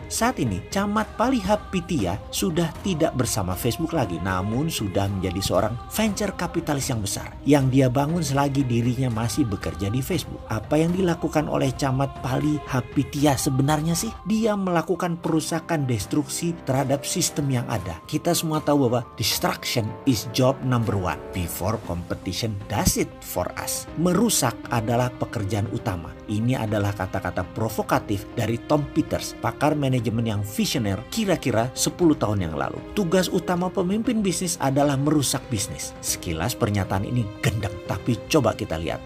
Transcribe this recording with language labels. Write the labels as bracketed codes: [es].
[id] Saat ini, Camat Paliha Pitia sudah tidak bersama Facebook lagi, namun sudah menjadi seorang venture kapitalis yang besar, yang dia bangun selagi dirinya masih bekerja di Facebook. Apa yang dilakukan oleh Camat Paliha Pitia sebenarnya sih? Dia melakukan perusakan destruksi terhadap sistem yang ada. Kita semua tahu bahwa [en] destruction is job number one before competition does it for us. [id] Merusak adalah pekerjaan utama. Ini adalah kata-kata provokatif dari Tom Peters, pakar manajemen yang visioner kira-kira 10 tahun yang lalu. Tugas utama pemimpin bisnis adalah merusak bisnis. Sekilas pernyataan ini gendeng, tapi coba kita lihat.